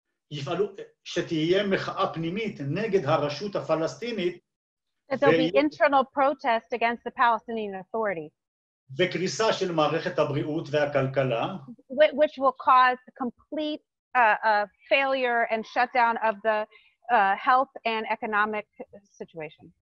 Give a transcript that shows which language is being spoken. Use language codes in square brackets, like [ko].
[he] יפעלו שתהיה מחאה פנימית נגד הרשות הפלסטינית. [en] There'll be internal protest against the Palestinian Authority. [he] וקריסה של מערכת הבריאות והכלכלה. [en] Which will cause complete failure and shutdown of the health and economic situation.